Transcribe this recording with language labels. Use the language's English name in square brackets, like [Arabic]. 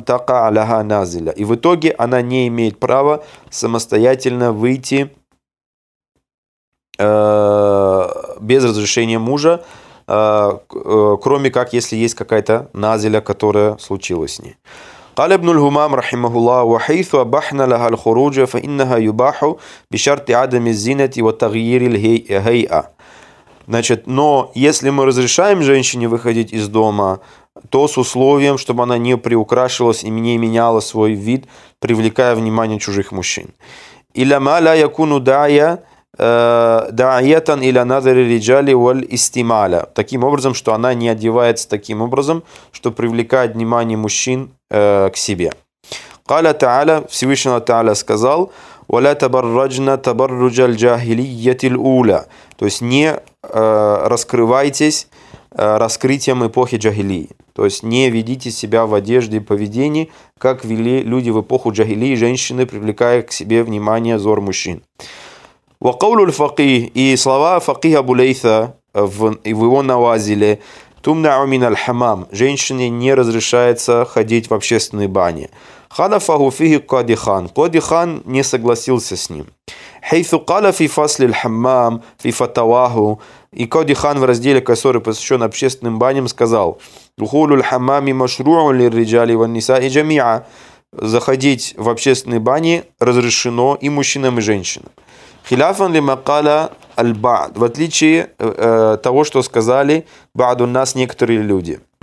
[Russian] И в итоге она не имеет права самостоятельно выйти без разрешения мужа, кроме как, если есть какая-то назиля, которая случилась с ней. [Arabic] قال ابن الهمام رحمه الله وحيث أبحنا لها الخروج فإنها يباح بشرط عدم الزينة وتغيير الهيئة. [Russian] Значит, но если мы разрешаем женщине выходить из дома, то с условием, чтобы она не приукрашивалась и не меняла свой вид, привлекая внимание чужих мужчин. [Arabic] إلا ما لا يكون داعيا داعيةً إلى نظر الرجال والاستمالة. [Russian] Таким образом, что она не одевается таким образом, что привлекает внимание мужчин к себе. [Arabic] قال تعالى, [Russian] Всевышний Аллах сказал, [Arabic] وَلَا تَبَرَّجْنَا تَبَرُّجَ الْجَاهِلِيَّةِ الْأُولَى. [Russian] То есть не раскрывайтесь раскрытием эпохи джахилии. То есть не ведите себя в одежде и поведении, как вели люди в эпоху джахилии, женщины, привлекая к себе внимание взор мужчин. [Arabic] وقول الفقيه [Russian] и слова [Arabic] فقيه أبو ليث [Russian] в его навазиле [Arabic] تمنع من الحمام. [Russian] Женщине не разрешается ходить в общественные бани. [Arabic] خالفه فيه قاضي خان. [Russian] قاضي خان не согласился с ним. [Arabic] حيث قال في فصل الحمام في فتواه. [Russian] И قاضي خان в разделе, который посвящен общественным баням, сказал: [Arabic] دخول الحمام مشروع للرجال والنساء جميعا. [Russian] Заходить в общественные бани разрешено и мужчинам, и женщинам. [Arabic] Хилафан ли макала аль-бад, [Russian] в отличие того, что сказали бад у нас некоторые люди.